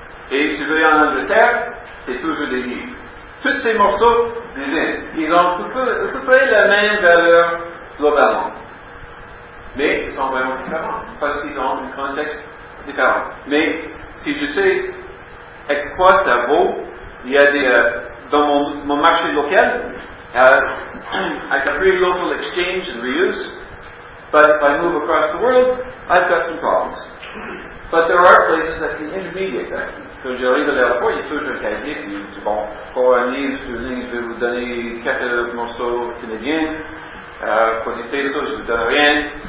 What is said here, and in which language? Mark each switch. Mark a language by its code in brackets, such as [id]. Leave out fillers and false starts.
[fr] Et si je vais en Angleterre, c'est toujours des livres. Tous ces morceaux, ils ont à peu près la même valeur globalement. Mais ils sont vraiment différents, parce qu'ils ont un contexte différent. Mais si je sais à quoi ça vaut, il y a des. Dans mon marché local, [en] I can create local exchange and reuse, but if I move across the world, I've got some problems. But there are places that can intermediate that. [fr] Quand j'arrive à l'aéroport, il y a toujours un casier qui dit, bon, pour un livre, je vais vous donner 4 morceaux canadiens, pour des pesos, je ne vous donne rien.